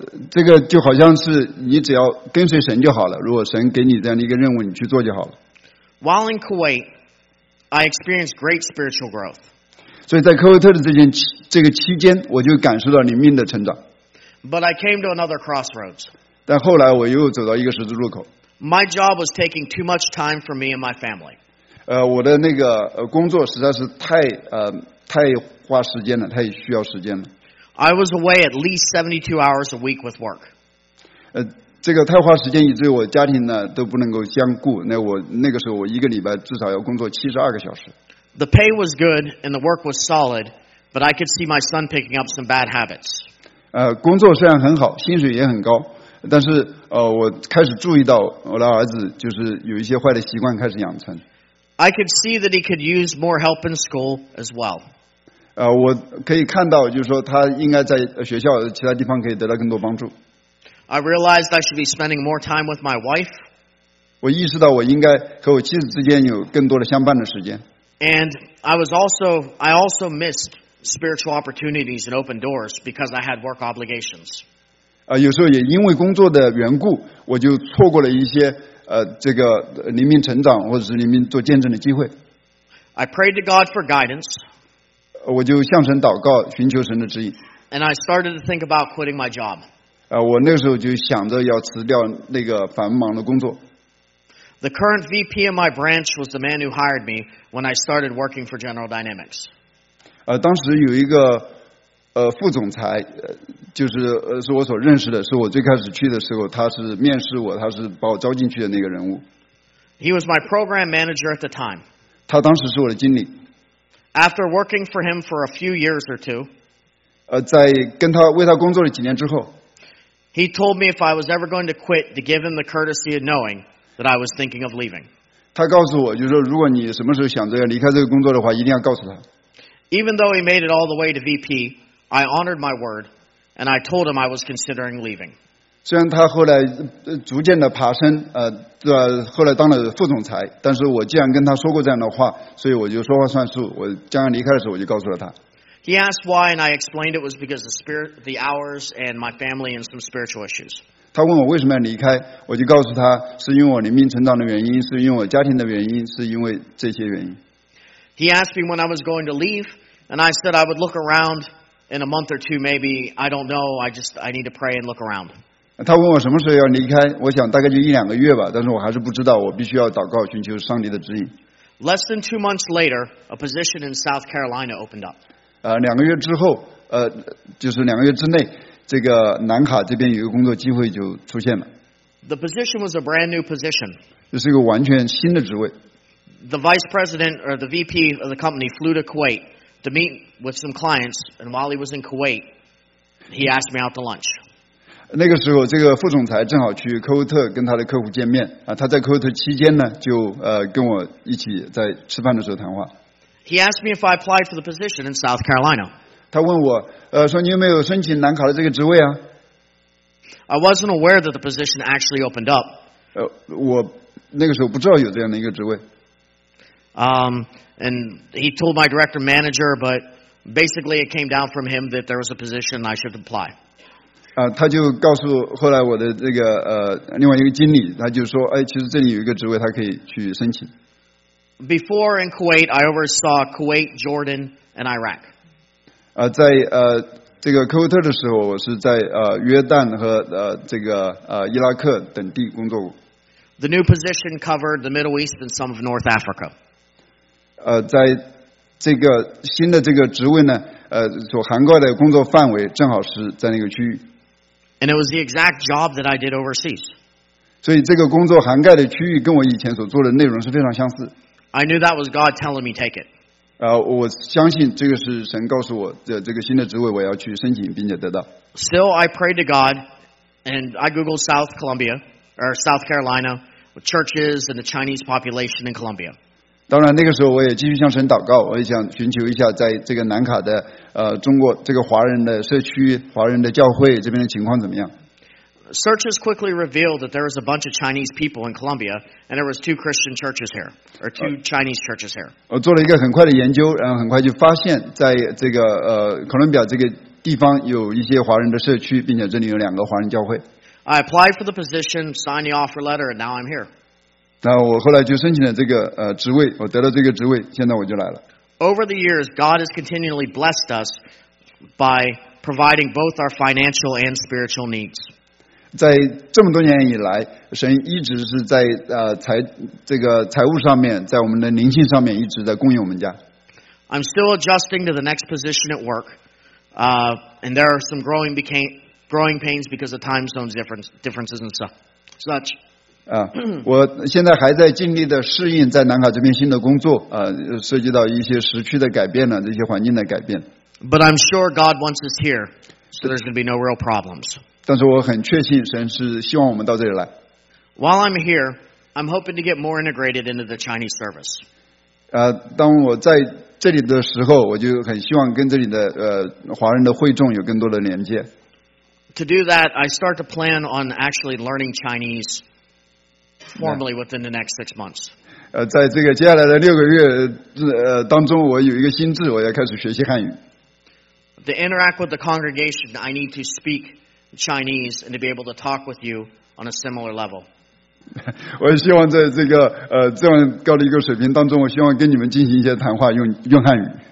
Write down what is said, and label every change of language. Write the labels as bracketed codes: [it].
[zh] 这个就好像是你只要跟随神就好了。如果神给你这样的一个任务，你去做就好了。 [en] While in Kuwait. I experienced great spiritual growth. [zh] 所以在科威特的这个期间，我就感受到灵命的成长。 [en] But I came to another crossroads. [zh] 但后来我又走到一个十字路口。 [en] My job was taking too much time from me and my family. [zh] 我的那个工作实在是太花时间了，太需要时间了。 [en] I was away at least 72 hours a week with work. [zh] 这个太花时间，以至于我家庭呢都不能够相顾。那我那个时候，我一个礼拜至少要工作72个小时。 [en] The pay was good and the work was solid, but I could see my son picking up some bad habits. [zh] 工作虽然很好，薪水也很高，但是我开始注意到我的儿子就是有一些坏的习惯开始养成。 [en] I could see that he could use more help in school as well. [zh] 我可以看到，就是说他应该在学校其他地方可以得到更多帮助。 [en] I realized I should be spending more time with my wife. [zh] 我意识到我应该和我妻子之间有更多的相伴的时间。 [en] And I also missed spiritual opportunities and open doors because I had work obligations. [zh] 有时候也因为工作的缘故，我就错过了一些这个灵命成长或者是灵命做见证的机会。 [en] I prayed to God for guidance. [zh] 我就向神祷告，寻求神的指引。 [en] And I started to think about quitting my job. [zh] 我那个时候就想着要辞掉那个繁忙的工作。 [en] The current VP of my branch was the man who hired me when I started working for General Dynamics. [zh] 当时有一个副总裁，就是是我所认识的，是我最开始去的时候，他是面试我，他是把我招进去的那个人物。 [en] He was my program manager at the time. [zh] 他当时是我的经理。 [en] After working for him for a few years or two, [zh] 在跟他为他工作了几年之后 [en] ，He told me if I was ever going to quit to give him the courtesy of knowing. That I was thinking of leaving. [zh] 他告诉我，就是说，如果你什么时候想着要离开这个工作的话，一定要告诉他。 [en] Even though he made it all the way to VP, I honored my word, and I told him I was considering leaving. [zh] 虽然他后来逐渐的爬升，后来当了副总裁，但是我既然跟他说过这样的话，所以我就说话算数。我将要离开的时候，我就告诉了他。 [en] He asked why, and I explained it was because the hours and my family and some spiritual issues. [zh] 他问我为什么要离开，我就告诉他是因为我灵命成长的原因，是因为我家庭的原因，是因为这些原因。 [en] He asked me when I was going to leave, and I said I would look around in a month or two, maybe. I don't know. I need to pray and look around. [zh] 他问我什么时候要离开，我想大概就一两个月吧，但是我还是不知道，我必须要祷告，寻求上帝的指引。 [en] Less than 2 months later, a position in South Carolina opened up. [zh] 两个月之后，就是两个月之内。这个南卡这边有一个工作机会就出现了。 [en] The position was a brand new position. [zh] 这是一个完全新的职位。 [en] The vice president or the VP of the company flew to Kuwait to meet with some clients, and while he was in Kuwait, he asked me out to lunch. [zh] 那个时候，这个副总裁正好去科威特跟他的客户见面他在科威特期间呢，就跟我一起在吃饭的时候谈话。 [en] He asked me if I applied for the position in South Carolina. [zh] 他问我，说你有没有申请南卡的这个职位啊 [en] ？I wasn't aware that the position actually opened up. [zh] 我那个时候不知道有这样的一个职位。 [en] And he told my director manager, but basically it came down from him that there was a position I should apply. [zh] 他就告诉后来我的这个另外一个经理，他就说，哎，其实这里有一个职位，他可以去申请。 [en] Before in Kuwait, I oversaw Kuwait, Jordan, and Iraq. [zh] 在这个科威特的时候，我是在约旦和这个伊拉克等地工作过。 [en] The new position covered the Middle East and some of North Africa. [zh] 在这个新的这个职位呢，所涵盖的工作范围正好是在那个区域。 [en] And it was the exact job that I did overseas. [zh] 所以这个工作涵盖的区域跟我以前所做的内容是非常相似。 [en] I knew that was God telling me take it. [zh] 我相信这个是神告诉我的这个新的职位我要去申请并且得到。 [en] Still, I prayed to God, and I googled South Columbia or South Carolina with churches and the Chinese population in Columbia. [zh] 当然，那个时候我也继续向神祷告，我也想寻求一下在这个南卡的中国这个华人的社区、华人的教会这边的情况怎么样。 [en] Searches quickly revealed that there was a bunch of Chinese people in Colombia, and there was two Christian churches here, or two Chinese churches here. [zh] 我做了一个很快的研究，然后很快就发现，在这个哥伦比亚这个地方有一些华人的社区，并且这里有两个华人教会。 [en] I applied for the position, signed the offer letter, and now I'm here. [zh] 那我后来就申请了这个职位，我得了这个职位，现在我就来了。 [en] Over the years, God has continually blessed us by providing both our financial and spiritual needs. [zh] 在这么多年以来，神一直是在财务上面，在我们的灵性上面一直在供应我们家。 [en] I'm still adjusting to the next position at work, and there are some growing pains because of time zone differences and such. [zh] 我现在还在尽力的适应在南卡这边新的工作，涉及到一些时区的改变呢，这些环境的改变。 [en] But I'm sure God wants us here, so there's going to be no real problems. [zh] 但是我很确信神是希望我们到这里来。 [en] While I'm here, I'm hoping to get more integrated into the Chinese service. [zh] 当我在这里的时候，我就很希望跟这里的华人的会众有更多的连接。 [en] To do that, I start to plan on actually learning Chinese formally within the next 6 months. [zh] 在这个接下来的六个月当中，我有一个心智，我要开始学习汉语。 [en] To interact with the congregation, I need to speak Chinese and to be able to talk with you on a similar level. [zh] 我希望在这个这样高的一个水平当中，我希望跟你们进行一些谈话，用汉语。